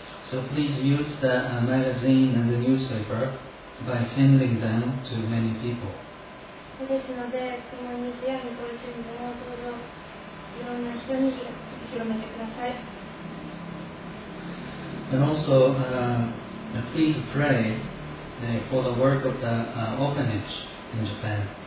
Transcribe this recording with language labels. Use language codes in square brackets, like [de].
[en] So please use the magazine and the newspaper by sending them to many people. [ja] ですので、このニュースやニコル新聞をどうぞいろんな人に広めてください。 [en] And also, please pray for the work of the orphanage in Japan.